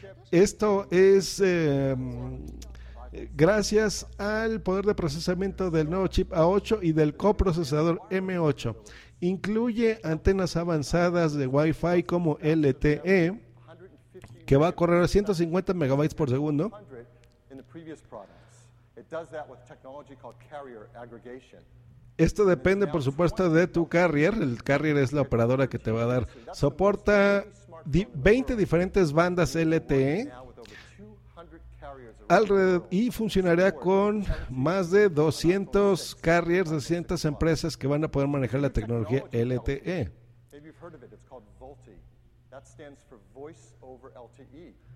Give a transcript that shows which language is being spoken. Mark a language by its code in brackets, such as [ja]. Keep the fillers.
[es] Esto es eh, eh, gracias al poder de procesamiento del nuevo chip A8 y del coprocesador M8. Incluye antenas avanzadas de Wi-Fi como LTE, que va a correr a 150 megabytes por segundo. [en] 100 in the previous products. It does that with technology called carrier aggregation. [es] Esto depende, por supuesto, de tu carrier. El carrier es la operadora que te va a dar. Soporta di- 20 diferentes bandas LTE [en] Now with over 200 carriers around [es] alrededor y funcionará con más de 200 carriers de ciertas empresas que van a poder manejar la tecnología LTE. [en] Maybe you've heard of it. It's called VoLTE. That stands for Voice over LTE.